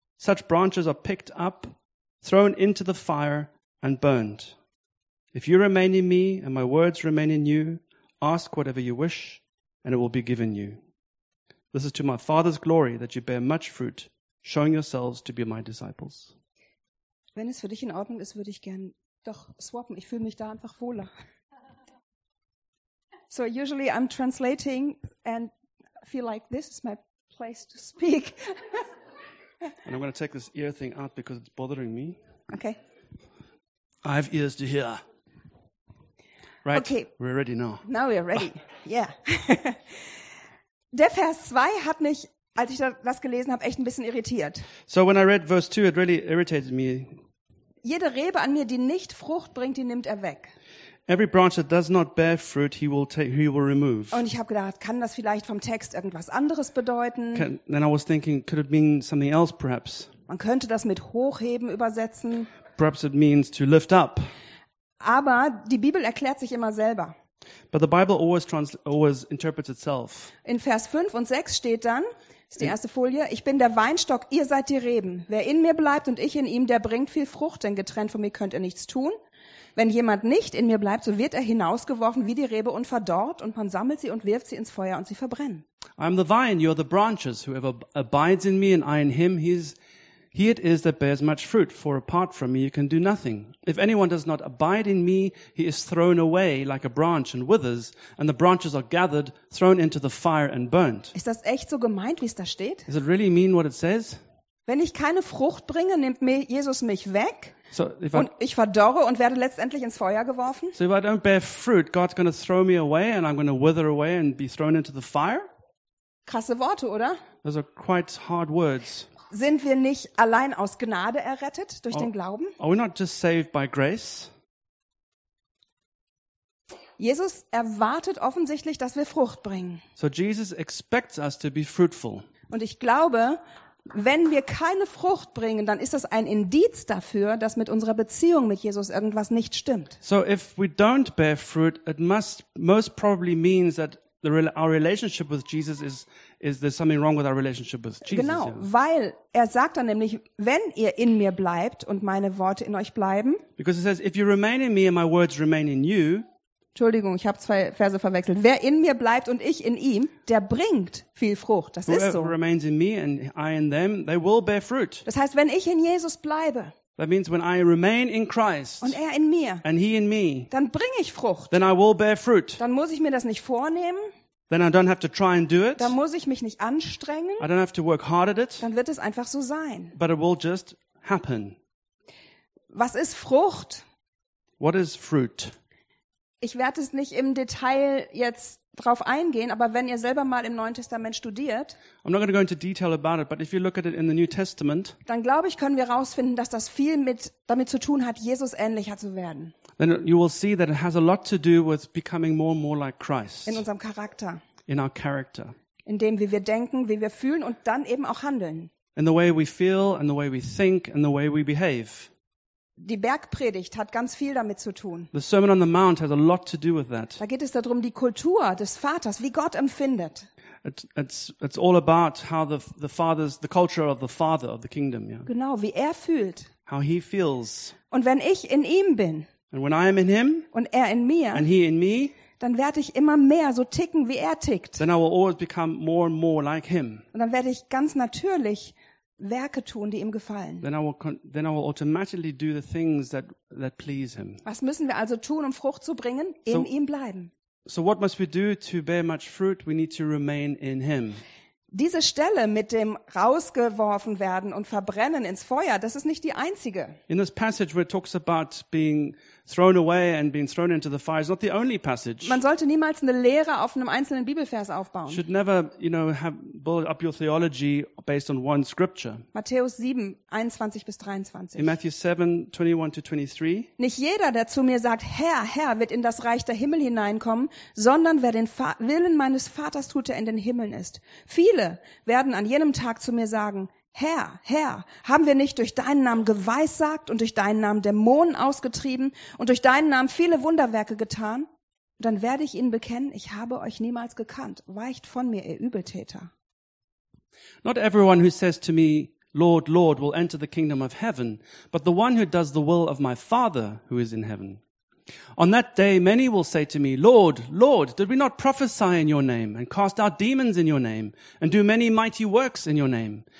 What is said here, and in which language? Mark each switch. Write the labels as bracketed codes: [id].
[en] Such branches are picked up, thrown into the fire, and burned. If you remain in me and my words remain in you, ask whatever you wish, and it will be given you. This is to my Father's glory, that you bear much fruit, showing yourselves to be my disciples. [de] Wenn es für dich in Ordnung ist, würde ich gern doch swappen. Ich fühle mich da einfach wohler. [en] So usually I'm translating and feel like this is my place to speak. And I'm going to take this ear thing out because it's bothering me. Okay. I have ears to hear. Right, okay. We're ready now. Now we're ready, yeah. [de] Der Vers 2 hat mich, als ich das gelesen habe, echt ein bisschen irritiert. [en] So when I read verse 2, it really irritated me. [de] Jede Rebe an mir, die nicht Frucht bringt, die nimmt er weg. [en] Every branch that does not bear fruit, he will remove. [de] Und ich habe gedacht, kann das vielleicht vom Text irgendwas anderes bedeuten? [en] Then I was thinking, could it mean something else perhaps? [de] Man könnte das mit hochheben übersetzen. [en] Perhaps it means to lift up. [de] Aber die Bibel erklärt sich immer selber. [en] But the Bible always interprets itself. [de] In Vers 5 und 6 steht dann, ist die erste Folie, ich bin der Weinstock, ihr seid die Reben. Wer in mir bleibt und ich in ihm, der bringt viel Frucht, denn getrennt von mir könnt ihr nichts tun. Wenn jemand nicht in mir bleibt, so wird er hinausgeworfen wie die Rebe und verdorrt, und man sammelt sie und wirft sie ins Feuer und sie verbrennen. [en] I am the vine, you are the branches. Whoever abides in me and I in him, he it is that bears much fruit, for apart from me you can do nothing. If anyone does not abide in me, he is thrown away like a branch and withers, and the branches are gathered, thrown into the fire and burnt. [de] Ist das echt so gemeint, wie es da steht? [en] Does it really mean what it says? [de] Wenn ich keine Frucht bringe, nimmt mir Jesus mich weg, so und ich verdorre und werde letztendlich ins Feuer geworfen. [en] So if I don't bear fruit, God's going to throw me away and I'm going to wither away and be thrown into the fire? [de] Krasse Worte, oder? [en] Those are quite hard words. [de] Sind wir nicht allein aus Gnade errettet durch den Glauben? [en] Are we not just saved by grace? [de] Jesus erwartet offensichtlich, dass wir Frucht bringen. [en] So Jesus expects us to be fruitful. [de] Und ich glaube, wenn wir keine Frucht bringen, dann ist das ein Indiz dafür, dass mit unserer Beziehung mit Jesus irgendwas nicht stimmt. [en] So if we don't bear fruit, it must most probably means that our relationship with Jesus is there something wrong with our relationship with Jesus? [de] Genau, weil er sagt dann nämlich, wenn ihr in mir bleibt und meine Worte in euch bleiben. [en] Because it says, if you remain in me and my words remain in you. [de] Entschuldigung, ich habe zwei Verse verwechselt. Wer in mir bleibt und ich in ihm, der bringt viel Frucht. Das ist so. [en] Whoever remains in me and I in them, they will bear fruit. [de] Das heißt, wenn ich in Jesus bleibe. [en] That means when I remain in Christ, [de] und er in mir, [en] and he in me, [de] dann bringe ich Frucht. [en] Then I will bear fruit. [de] Dann muss ich mir das nicht vornehmen. [en] Then I don't have to try and do it. [de] Dann muss ich mich nicht anstrengen. [en] I don't have to work hard at it. [de] Dann wird es einfach so sein. [en] But it will just happen. [de] Was ist Frucht? [en] What is fruit? [de] Ich werde es nicht im Detail jetzt drauf eingehen, aber wenn ihr selber mal im Neuen Testament studiert, [en] I'm not going to go into detail about it, but if you look at it in the New Testament, [de] dann glaube ich, können wir rausfinden, dass das viel damit zu tun hat, Jesus ähnlicher zu werden. [en] Then you will see that it has a lot to do with becoming more and more like Christ. [de] In unserem Charakter. [en] In our character. [de] In dem, wie wir denken, wie wir fühlen und dann eben auch handeln. [en] In the way we feel and the way we think and the way we behave. [de] Die Bergpredigt hat ganz viel damit zu tun. [en] The Sermon on the Mount has a lot to do with that. [de] Da geht es darum, die Kultur des Vaters, wie Gott empfindet. [en] It's all about how the Father's, the culture of the Father of the Kingdom, yeah. [de] Genau, wie er fühlt. [en] How he feels. [de] Und wenn ich in ihm bin. [en] And when I am in him. [de] Und er in mir. [en] And he in me. [de] Dann werde ich immer mehr so ticken, wie er tickt. [en] Then I will always become more and more like him. [de] Und dann werde ich ganz natürlich Werke tun, die ihm gefallen. [en] Then I will automatically do the things that please him. [de] Was müssen wir also tun, um Frucht zu bringen? In ihm bleiben. [en] So what must we do to bear much fruit? We need to remain in him. [de] Diese Stelle mit dem rausgeworfen werden und verbrennen ins Feuer, das ist nicht die einzige. [en] In this passage where it talks about being thrown away and being thrown into the fire is not the only passage. [de] Man sollte niemals eine Lehre auf einem einzelnen Bibelvers aufbauen. [en] Should never, you know, have build up your theology based on one scripture. [de] Matthäus 7, 21 bis 23. [en] In Matthew 7, 21 to 23. [de] Nicht jeder, der zu mir sagt, Herr, Herr, wird in das Reich der Himmel hineinkommen, sondern wer den Willen meines Vaters tut, der in den Himmeln ist. Viele werden an jenem Tag zu mir sagen, Herr, Herr, haben wir nicht durch deinen Namen geweissagt und durch deinen Namen Dämonen ausgetrieben und durch deinen Namen viele Wunderwerke getan? Und dann werde ich ihnen bekennen, ich habe euch niemals gekannt. Weicht von mir, ihr Übeltäter. [en] Not everyone who says to me, Lord, Lord, will enter the kingdom of heaven, but the one who does the will of my Father who is in heaven. On that day many will say to me, Lord, Lord, did we not prophesy in your name and cast out demons in your name and do many mighty works in your name?